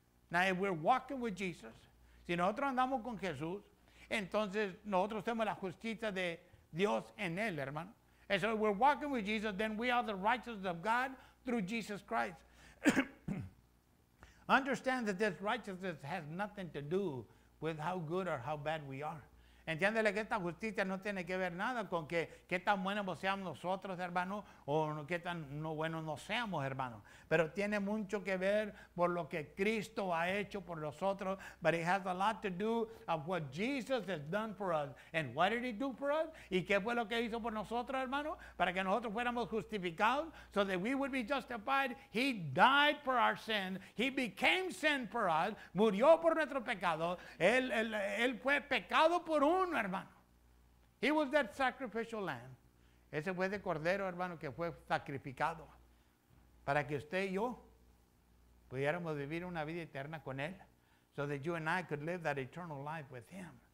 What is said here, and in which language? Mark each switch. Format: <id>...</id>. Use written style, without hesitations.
<en>Now, if we're walking with Jesus,</en> <es>si nosotros andamos con Jesús, entonces nosotros somos la justicia de Dios en él, hermano.</es> <en>And so if we're walking with Jesus, then we are the righteousness of God through Jesus Christ. Understand that this righteousness has nothing to do with how good or how bad we are.</en> <es>Entiéndele que esta justicia no tiene que ver nada con que tan buenos seamos nosotros, hermano, o que tan no buenos no seamos, hermano. Pero tiene mucho que ver por lo que Cristo ha hecho por nosotros.</es> <en>But it has a lot to do of what Jesus has done for us. And what did he do for us?</en> <es>¿Y qué fue lo que hizo por nosotros, hermano? Para que nosotros fuéramos justificados,</es> <en>so that we would be justified. He died for our sin. He became sin for us.</en> <es>Murió por nuestro pecado. Él fue pecado por uno, hermano.</es> <en>He was that sacrificial lamb.</en> <es>Ese fue de cordero, hermano, que fue sacrificado para que usted y yo pudiéramos vivir una vida eterna con él,</es> <en>so that you and I could live that eternal life with him.</en>